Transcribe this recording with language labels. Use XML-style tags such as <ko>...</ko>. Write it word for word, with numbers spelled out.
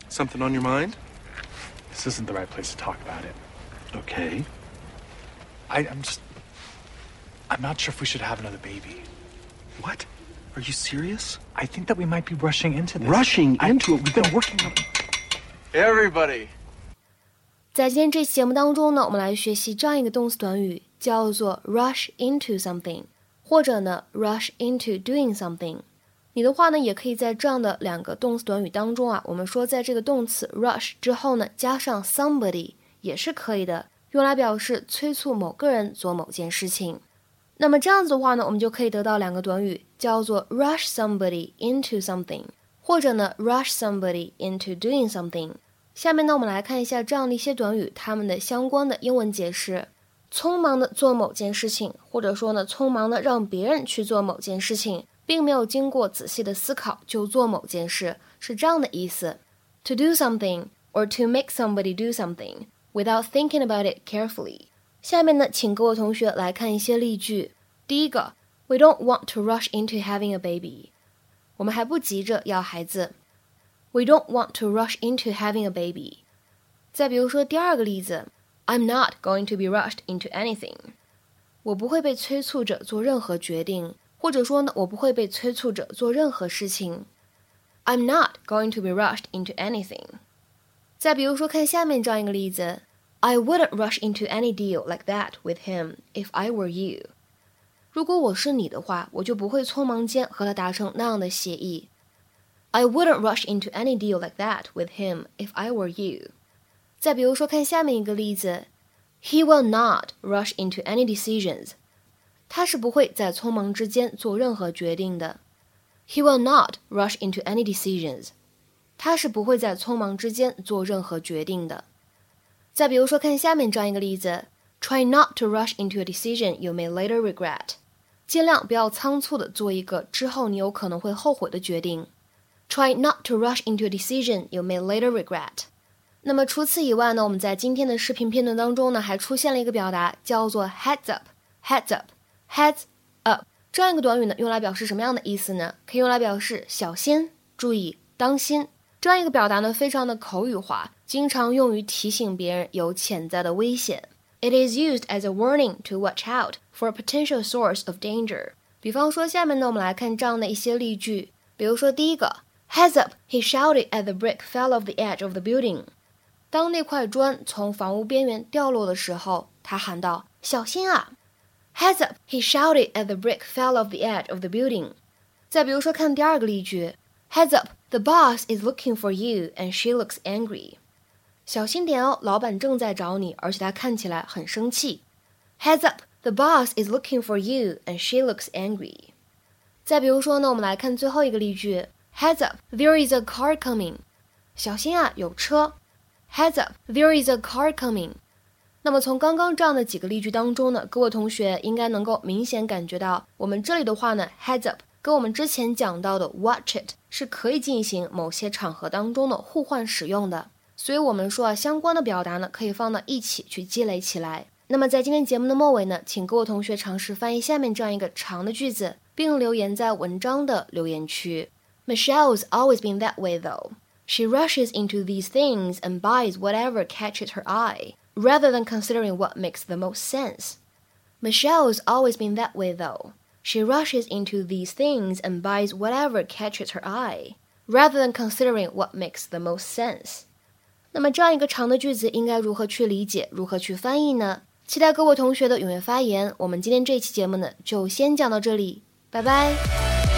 <en>Something on your mind? This isn't the right place to talk about it. Okay. I, I'm just... I'm not sure if we should have another baby. What? Are you serious? I think that we might be rushing into this. Rushing into I, it? We've been working on... Everybody...</en> <zh>在今天这期节目当中呢，我们来学习这样一个动词短语，叫做 rush into something， 或者呢 rush into doing something。你的话呢，也可以在这样的两个动词短语当中啊，我们说在这个动词 rush 之后呢，加上 somebody 也是可以的，用来表示催促某个人做某件事情。那么这样子的话呢，我们就可以得到两个短语，叫做 rush somebody into something， 或者呢 rush somebody into doing something。下面呢，我们来看一下这样的一些短语，它们的相关的英文解释。匆忙的做某件事情，或者说呢，匆忙的让别人去做某件事情，并没有经过仔细的思考就做某件事，是这样的意思。</zh> <en>To do something or to make somebody do something without thinking about it carefully。</en> <zh>下面呢，请各位同学来看一些例句。第一个</zh> <en>，We don't want to rush into having a baby。</en> <zh>我们还不急着要孩子。</zh> <en>We don't want to rush into having a baby.</en> <zh>再比如说第二个例子</zh> <en>I'm not going to be rushed into anything.</en> <zh>我不会被催促着做任何决定，或者说呢，我不会被催促着做任何事情。</zh> <en>I'm not going to be rushed into anything.</en> <zh>再比如说看下面这样一个例子</zh> <en>I wouldn't rush into any deal like that with him if I were you.</en> <zh>如果我是你的话，我就不会匆忙间和他达成那样的协议。</zh> <en>I wouldn't rush into any deal like that with him if I were you.</en> <zh>再比如说看下面一个例子</zh> <en>He will not rush into any decisions.</en> <zh>他是不会在匆忙之间做任何决定的。</zh> <en>He will not rush into any decisions.</en> <zh>他是不会在匆忙之间做任何决定的。再比如说看下面这样一个例子</zh> <en>Try not to rush into a decision you may later regret.</en> <zh>尽量不要仓促地做一个之后你有可能会后悔的决定。</zh> <en>Try not to rush into a decision you may later regret.</en> <zh>那么除此以外呢，我们在今天的视频片段当中呢，还出现了一个表达叫做 heads up, heads up, heads up. 这样一个短语呢，用来表示什么样的意思呢？可以用来表示小心、注意、当心。这样一个表达呢，非常的口语化，经常用于提醒别人有潜在的危险。</zh> <en>It is used as a warning to watch out for a potential source of danger.</en> <zh>比方说下面呢，我们来看这样的一些例句。比如说第一个</zh> <en>Heads up! He shouted as the brick fell off the edge of the building.</en> <zh>当那块砖从房屋边缘掉落的时候，他喊道：“小心啊！”</zh> <en>Heads up! He shouted as the brick fell off the edge of the building.</en> <zh>再比如说，看第二个例句 ：Heads up!</zh> <en>The boss is looking for you, and she looks angry.</en> <zh>小心点哦，老板正在找你，而且他看起来很生气。</zh> <en>Heads up! The boss is looking for you, and she looks angry.</en> <zh>再比如说呢，我们来看最后一个例句。</zh> <en>Heads up, there is a car coming.</en> <zh>小心啊，有车。</zh> <en>Heads up, there is a car coming.</en> <zh>那么从刚刚这样的几个例句当中呢，各位同学应该能够明显感觉到，我们这里的话呢 ，heads up 跟我们之前讲到的 watch it 是可以进行某些场合当中的互换使用的。所以我们说啊，相关的表达呢，可以放到一起去积累起来。那么在今天节目的末尾呢，请各位同学尝试翻译下面这样一个长的句子，并留言在文章的留言区。</zh> <en>Michelle's always been that way, though. She rushes into these things and buys whatever catches her eye, rather than considering what makes the most sense. Michelle's always been that way, though. She rushes into these things and buys whatever catches her eye, rather than considering what makes the most sense.</en> <zh>那么这样一个长的句子应该如何去理解，如何去翻译呢？期待各位同学的踊跃发言。我们今天这期节目呢，就先讲到这里，拜拜。</zh>